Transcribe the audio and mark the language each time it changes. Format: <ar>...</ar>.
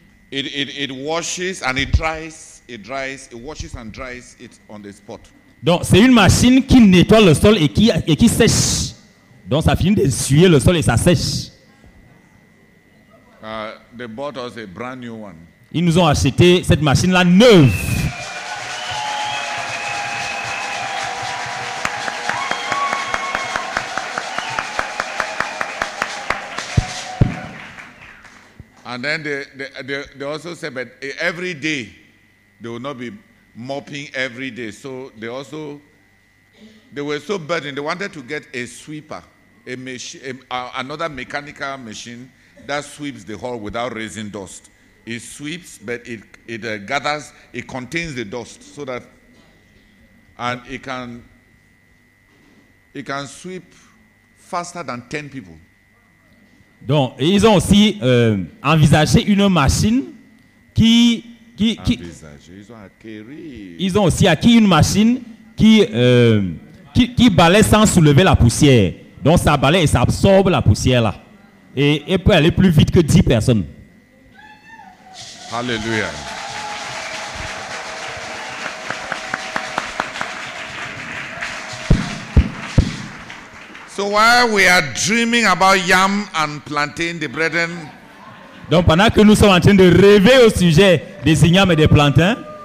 <en>It washes and it dries, it washes and dries it on the spot.</en> <fr>Donc c'est une machine qui nettoie le sol et qui sèche. Donc ça finit de suer le sol et ça sèche.</fr> <en>They bought us a brand new one.</en> <fr>Ils nous ont acheté cette machine là neuve.</fr> <en>And then they also said that every day they will not be mopping every day. So they were so burdened. They wanted to get a sweeper, another mechanical machine that sweeps the hall without raising dust. It sweeps, but it gathers, it contains the dust so that and it can sweep faster than 10 people.</en> <fr>Donc, ils ont aussi envisagé une machine qui qui balaie sans soulever la poussière. Donc, ça balaie et ça absorbe la poussière là. Et peut aller plus vite que 10 personnes. Alléluia.</fr> <en>So while we are dreaming about yam and plantain, the brethren.</en> <fr>Donc pendant que nous sommes en train de rêver au sujet des yams et des plantains,</fr>